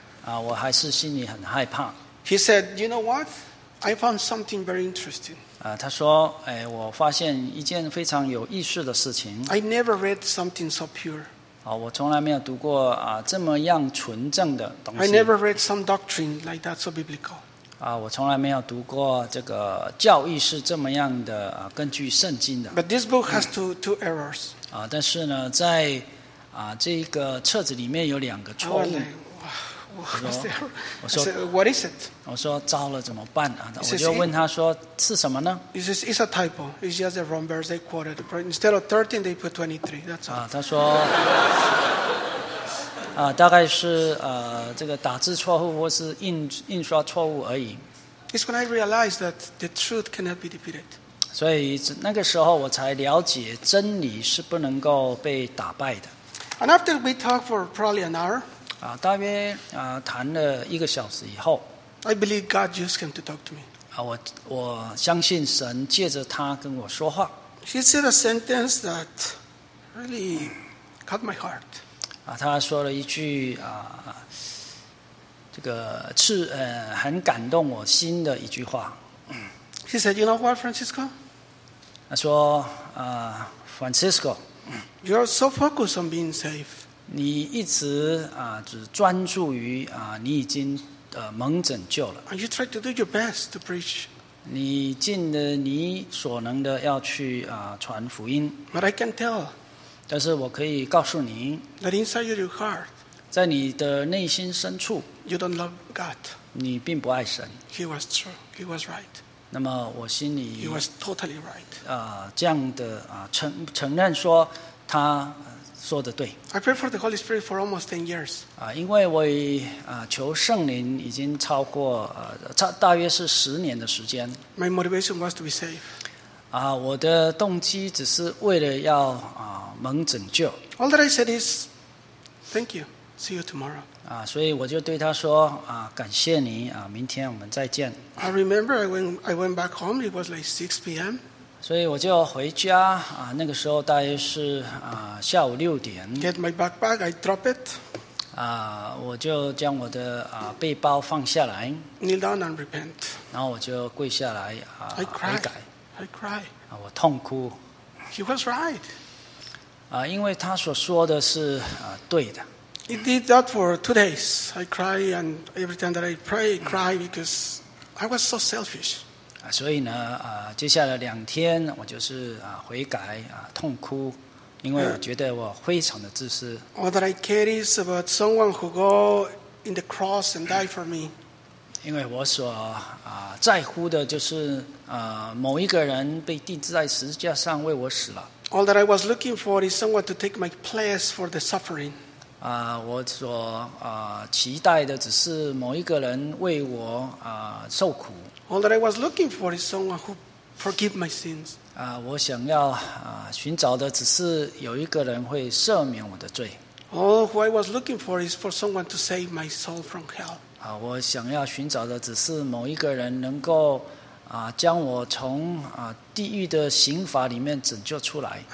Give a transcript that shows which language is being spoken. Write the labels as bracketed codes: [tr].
[zh] 啊，我还是心里很害怕。 [en] He said, "You know what? I found something very interesting." [zh] 啊，他说：“哎，我发现一件非常有意思的事情。 [en] ”I never read something so pure. [zh] 啊，我从来没有读过啊这么样纯正的东西。 [en] I never read some doctrine like that so biblical. [zh] 啊，我从来没有读过这个教义是这么样的、啊、根据圣经的。 [en] But this book has two errors. [zh] 啊，但是呢，在啊这个册子里面有2个错误。 [en] Like, what's the error? [zh] 我说 [en] What is it? [zh] 我说糟了，怎么办啊？Says, 我就问他说是什么呢 [en] ？He says it's a typo. It's just the wrong verse they quoted. Instead of 13, they put 23. That's all. [zh] 啊，他说。大概是这个打字错误或是印刷错误而已。 [en] It's when I realized that the truth cannot be defeated. [zh] 所以那个时候我才了解真理是不能够被打败的。 [en] And after we talked for probably an hour, [zh] 大约谈了1个小时以后 [en] ，I believe God used him to talk to me. [zh] 我相信神借着他跟我说话。 [en] He said a sentence that really cut my heart. [zh] 他说了一句这个是很感动我心的一句话。 [en] He said, "You know what, Francisco?" [zh] 他说Francisco, [en] "You are so focused on being safe." [zh] 你一直只专注于你已经蒙拯救了。 [en] And you try to do your best to preach. [zh] 你尽了你所能的要去传福音。 [en] But I can tell. [zh] 但是我可以告诉您 [en] ，That inside your heart, [zh] 在你的内心深处 [en] ，You don't love God. [zh] 你并不爱神。 [en] He was true. He was right. [zh] 那么我心里 [en] ，He was totally right. [zh] 这样的承认说他说的对。 [en] I prayed for the Holy Spirit for almost 10 years. [zh] 因为我求圣灵已经超过大约是10年的时间。 [en] My motivation was to be saved. [zh] 我的动机只是为了要蒙拯救。 [en] All that I said is, thank you. See you tomorrow. [zh] 所以我就对他说感谢你明天我们再见。 [en] I remember I went back home. It was like 6 p.m. [zh] 所以我就回家那个时候大约是下午6点。 [en] Get my backpack. I drop it. [zh] 我就将我的背包放下来。 [en] Kneel down and repent. [zh] 然后我就跪下来悔改。 [en] I cry. [zh] 我痛哭。 [en] He was right. [zh] 因为他所说的是对的。 [en] He did that for 2 days. I cry and every time that I pray, I cry because I was so selfish. [zh] 所以呢，接下来2天我就是悔改痛哭，因为我觉得我非常的自私。 [en] All that I care is about someone who go in the cross and die for me. [zh] 因为我所在乎的就是某一个人被钉在十字架上为我死了。 [en] All that I was looking for is someone to take my place for the suffering. [zh] 我所期待的只是某一个人为我受苦。 [en] All that I was looking for is someone who forgive my sins. [zh] 我想要寻找的只是有一个人会赦免我的罪。 [en] All who I was looking for is for someone to save my soul from hell. [zh] 我想要寻找的只是某一个人能够将我从地狱的刑罚里面拯救出来。